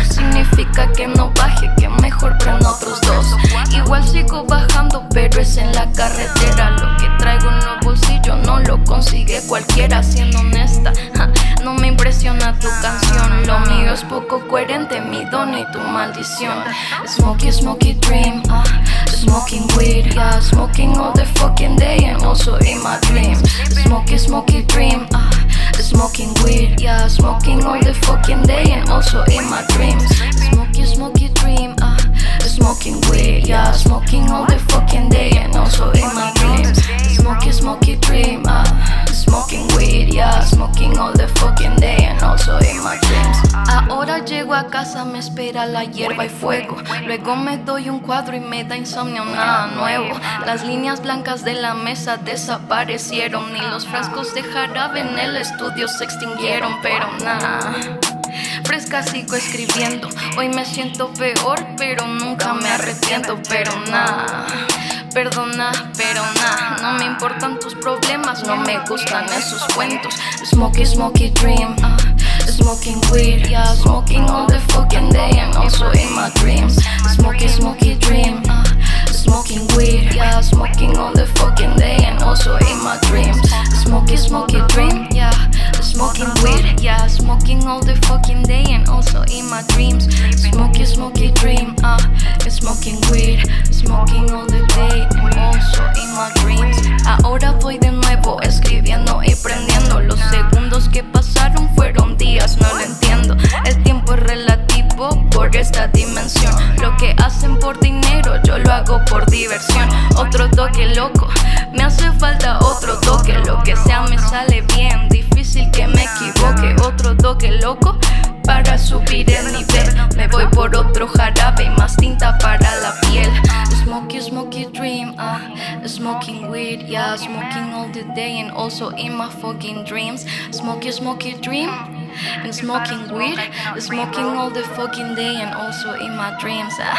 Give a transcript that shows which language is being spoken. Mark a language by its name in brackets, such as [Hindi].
[Spanish] Significa que no baje, que mejor prendo otros dos. Igual sigo bajando, pero es en la carretera. Lo que traigo en los bolsillos no lo consigue cualquiera. Siendo honesta, no me impresiona tu canción. Lo mío es poco coherente, mi don y tu maldición. [English] Smokey, smokey dream. Smoking weed, yeah, smoking all the fucking day and also in my dreams. Smokey, smokey dream. Smoking weed, yeah, smoking all the fucking day and also in my dreams. Smokey, smokey dream. Smoking weed, yeah, smoking all the fucking day and also in my dreams. Smokey, smokey dream. Smoking weed, yeah, smoking all the fucking day and also in my dreams. [Spanish] Ahora llego a casa, me espera la hierba y fuego. Luego me doy un cuadro y me da insomnio, nada nuevo. Las líneas blancas de la mesa desaparecieron. Ni los frascos de jarabe en el estudio se extinguieron, pero nada. Fresca sigo escribiendo, hoy me siento peor, pero nunca me arrepiento, pero nada. Perdona, pero nah, no me importan tus problemas, no me gustan esos cuentos. [English] Smokey, smokey dream. Smoking weed, yeah, smoking all the fucking day and also in my dreams. Smokey, smokey dream. Smoking weed, yeah, smoking all the fucking day and also in my dreams. Smokey, smokey dream, yeah. Smoking weed, yeah, smoking all the fucking day and also in my dreams. Smokey, smokey dream, smoking weed, smoking all the day and also in my dreams. [Spanish] Ahora voy de nuevo escribiendo y prendiendo. Los segundos que pasaron fueron días, no lo entiendo. El tiempo es relativo por esta dimensión. Lo que hacen por dinero yo lo hago por diversión. Otro toque loco, me hace falta otro toque. Lo que sea me sale bien, difícil que me equivoque. Otro toque loco para subir el nivel. Me voy por otro jarabe y más tinta para la piel. [English] Smokey, smokey dream, smoking weed, yeah, smoking all the day and also in my fucking dreams. Smokey, smokey dream. And smoking weed, smoking all the fucking day and also in my dreams.